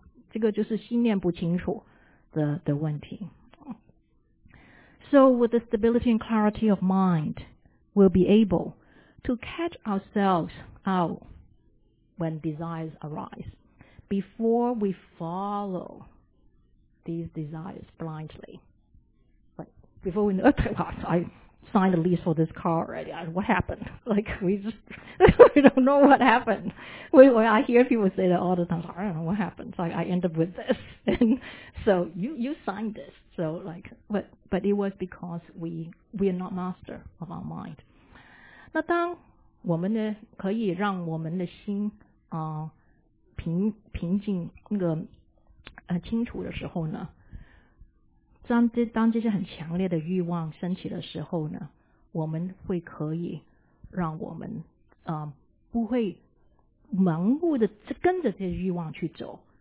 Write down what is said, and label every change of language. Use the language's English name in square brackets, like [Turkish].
[Chinese] 这个就是心念不清楚的问题。 [English] So with the stability and clarity of mind, we'll be able to catch ourselves out when desires arise before we follow these desires blindly. Like, before we know, I signed a lease for this car already. What happened? Like, we don't know what happened. I hear people say that all the time. I don't know what happened. So I end up with this. And so you signed this. So like, but it was because we are not master of our mind. [Chinese] 那当我们的可以让我们的心平静那个清楚的时候呢，当这些很强烈的欲望升起的时候呢，我们会可以让我们不会盲目的跟着这些欲望去走。